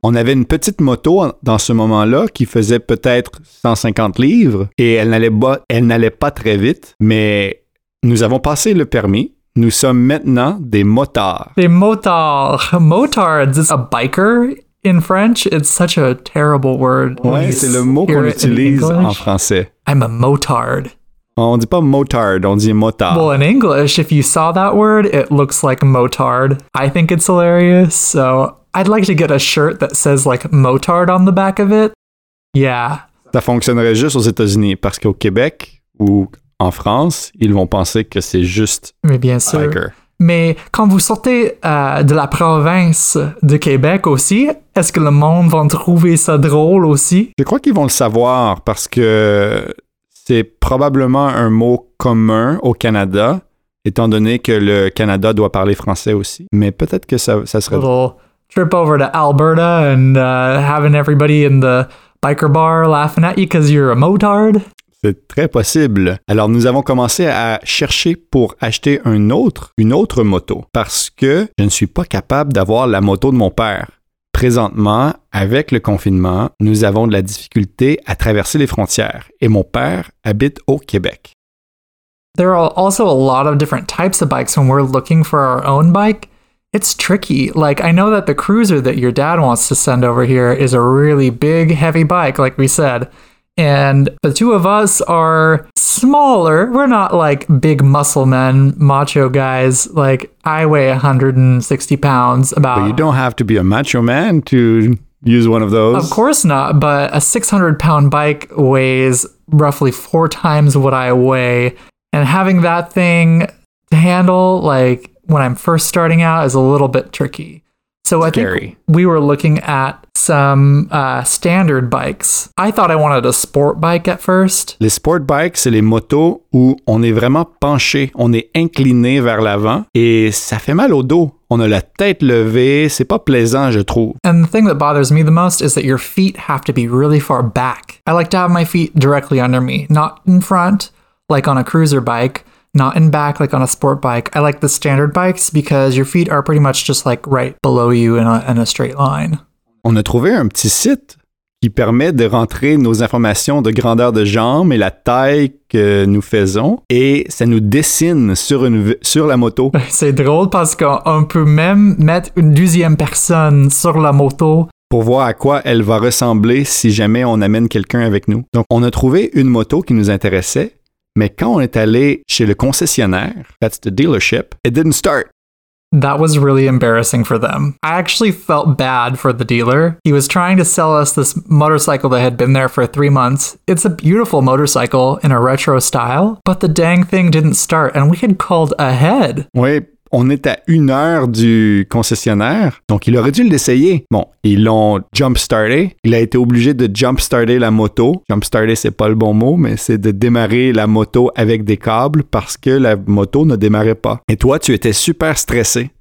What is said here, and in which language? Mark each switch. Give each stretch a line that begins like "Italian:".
French: On avait une petite moto dans ce moment-là qui faisait peut-être 150 livres et elle n'allait pas très vite, mais nous avons passé le permis. Nous sommes maintenant des motards. Des motards.
English: Motards is a biker in French. It's such a terrible word.
French: Ouais, c'est le mot qu'on utilise en français.
English: I'm a motard.
French: On dit pas motard, on dit motard.
English: Well, in English, if you saw that word, it looks like motard. I think it's hilarious. So, I'd like to get a shirt that says like motard on the back of it. Yeah.
French: Ça fonctionnerait juste aux États-Unis parce qu'au Québec ou en France, ils vont penser que c'est juste biker. Mais bien sûr.
English: Biker.
French: Mais quand vous sortez de la province de Québec aussi, est-ce que le monde va trouver ça drôle aussi? Je crois qu'ils vont le savoir parce que c'est probablement un mot commun au Canada, étant donné que le Canada doit parler français aussi. Mais peut-être que ça serait drôle.
English: Trip over to Alberta and having everybody in the biker bar laughing at you because you're a motard.
French: C'est très possible. Alors, nous avons commencé à chercher pour acheter une autre moto parce que je ne suis pas capable d'avoir la moto de mon père. Présentement, avec le confinement, nous avons de la difficulté à traverser les frontières et mon père habite au Québec.
English: There are also a lot of different types of bikes when we're looking for our own bike. It's tricky. Like, I know that the cruiser that your dad wants to send over here is a really big, heavy bike, like we said. And the two of us are smaller. We're not like big muscle men, macho guys. Like, I weigh 160 pounds about. But you don't have to be a macho man to use one of those. Of course not. But a 600-pound bike weighs roughly four times what I weigh. And having that thing to handle, like, when I'm first starting out is a little bit tricky. So I think we were looking at some standard bikes. I thought I wanted a sport bike at first.
French: Les sport bikes, c'est les motos où on est vraiment penché, on est incliné vers l'avant et ça fait mal au dos. On a la tête levée, c'est pas plaisant, je trouve.
English: And the thing that bothers me the most is that your feet have to be really far back. I like to have my feet directly under me, not in front, like on a cruiser bike. Not in back, like on a sport bike. I like the standard bikes because your feet are pretty much just like right below you in a straight line.
French: On a trouvé un petit site qui permet de rentrer nos informations de grandeur de jambes et la taille que nous faisons et ça nous dessine sur la moto. C'est drôle parce qu'on peut même mettre une deuxième personne sur la moto. Pour voir à quoi elle va ressembler si jamais on amène quelqu'un avec nous. Donc, on a trouvé une moto qui nous intéressait. Mais quand on est allé chez le concessionnaire,
English: that's the dealership, it didn't start. That was really embarrassing for them. I actually felt bad for the dealer. He was trying to sell us this motorcycle that had been there for 3 months. It's a beautiful motorcycle in a retro style, but the dang thing didn't start and we had called ahead.
French: Oui, on est à une heure du concessionnaire, donc il aurait dû l'essayer. Bon, ils l'ont jump-started. Il a été obligé de jump-started la moto. Jump-started, c'est pas le bon mot, mais c'est de démarrer la moto avec des câbles parce que la moto ne démarrait pas. Et toi, tu étais super stressé.